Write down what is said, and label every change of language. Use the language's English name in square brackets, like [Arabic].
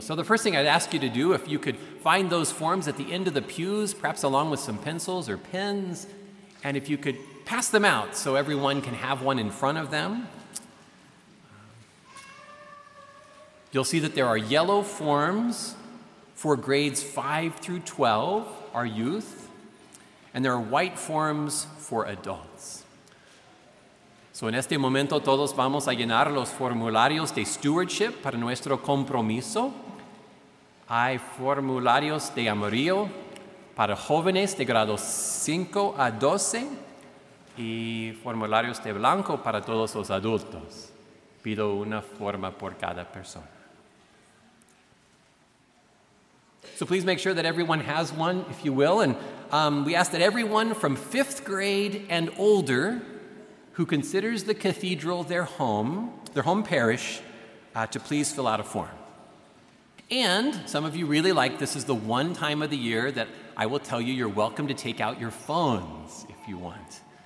[English] So the first thing I'd ask you to do, if you could find those forms at the end of the pews, perhaps along with some pencils or pens, and if you could pass them out so everyone can have one in front of them. You'll see that there are yellow forms for grades 5 through 12, our youth, and there are white forms for adults. [Spanish] So en este momento todos vamos a llenar los formularios de stewardship para nuestro compromiso. Hay formularios de amarillo para jóvenes de grados 5 a 12 y formularios de blanco para todos los adultos. Pido una forma por cada persona. [English] So please make sure that everyone has one, if you will. And we ask that everyone from fifth grade and older who considers the cathedral their home parish, to please fill out a form. And some of you really like this is the one time of the year that I will tell you you're welcome to take out your phones if you want.